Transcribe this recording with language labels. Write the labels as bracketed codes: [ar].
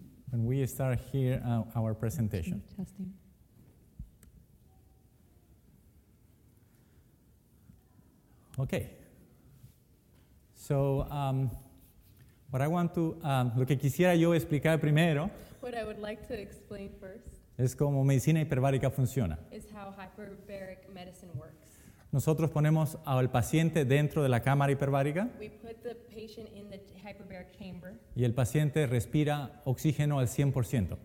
[en] And we start here our presentation. Justin. Okay. So, what I want to, [es] lo que quisiera yo explicar primero. [en] What I would like to explain first. [es] Es como medicina hiperbárica funciona. [en] Is how hyperbaric medicine works. [es] Nosotros ponemos al paciente dentro de la cámara hiperbárica. [en] We put the patient in the hyperbaric chamber. [es] Y el paciente respira oxígeno al 100%.